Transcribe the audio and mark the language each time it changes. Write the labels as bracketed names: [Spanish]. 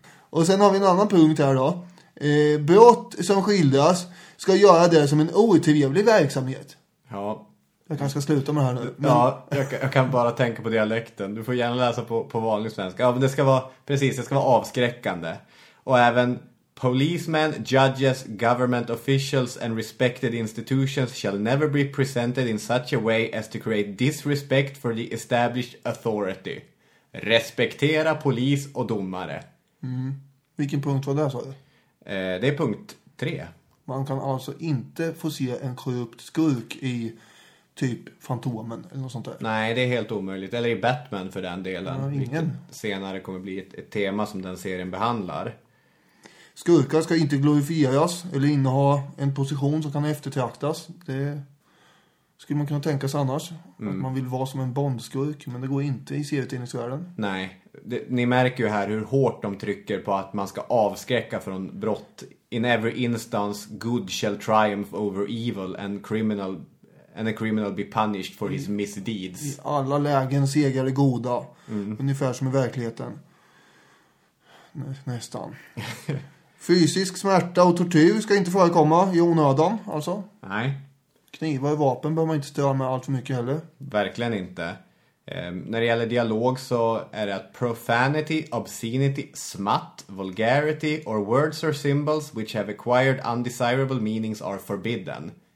[Swedish] Och sen har vi en annan punkt här då. Brott som skildras ska göra det som en otrevlig verksamhet. Ja. Jag kanske ska sluta med det här nu. Men... Ja, jag kan bara tänka på dialekten. Du får gärna läsa på vanlig svenska. Ja, men det ska vara, precis, det ska vara avskräckande. Och även [English] policemen, judges, government officials and respected institutions shall never be presented in such a way as to create disrespect for the established authority. [Swedish] Respektera polis och domare. Mm. Vilken punkt var det, sa du? Det är punkt 3. Man kan alltså inte få se en korrupt skurk i typ Fantomen eller något sånt där. Nej, det är helt omöjligt. Eller i Batman för den delen. Ingen. Senare kommer bli ett tema som den serien behandlar. Skurkar ska inte glorifieras eller inneha en position som kan eftertraktas. Det skulle man kunna tänka sig annars. Mm. Att man vill vara som en bondskurk, men det går inte i serietidningsvärlden. Nej, ni märker ju här hur hårt de trycker på att man ska avskräcka från brott. [English] In every instance, good shall triumph over evil and a criminal be punished for his misdeeds. [Swedish] I alla lägen segrar det goda, ungefär som i verkligheten. Nästan. Fysisk smärta och tortyr ska inte förekomma i onödan, alltså. Nej. Knivar och vapen behöver man inte störa med allt för mycket heller. Verkligen inte. När det gäller dialog så är det att [English] profanity, obscenity, smut, vulgarity or words or symbols which have acquired undesirable meanings are forbidden.